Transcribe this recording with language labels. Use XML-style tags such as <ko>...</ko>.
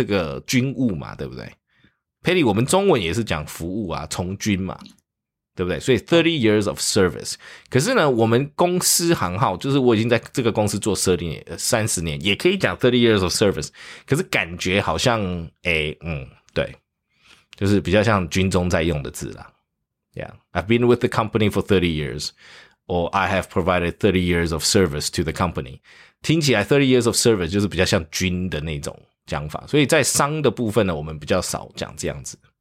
<zh>所以这个你去服务这个军务嘛，对不对？Petty， 我们中文也是讲服务啊，从军嘛，对不对？所以</zh> <en>30 years of service，</en> <zh>可是呢，我们公司行号就是我已经在这个公司做 30年，30年， 也可以讲 30 years of service， 可是感觉好像，对，就是比较像军中在用的字啦。</zh> <en>Yeah， I've been with the company for 30 years， or I have provided 30 years of service to the company。</en> <zh>听起来</zh> <en>30 years of service</en> <zh>就是比较像军的那种讲法，所以在商的部分呢，我们比较少讲这样子。</zh>